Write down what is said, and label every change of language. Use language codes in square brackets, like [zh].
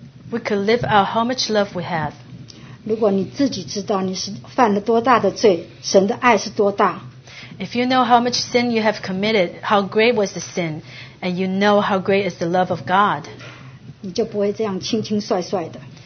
[en] we could live out how much love we have. [zh] 如果你自己知道你是犯了多大的罪, 神的爱是多大, [en] if you know how much sin you have committed, how great was the sin, and you know how great is the love of God, [zh] 你就不会这样轻轻帅帅的,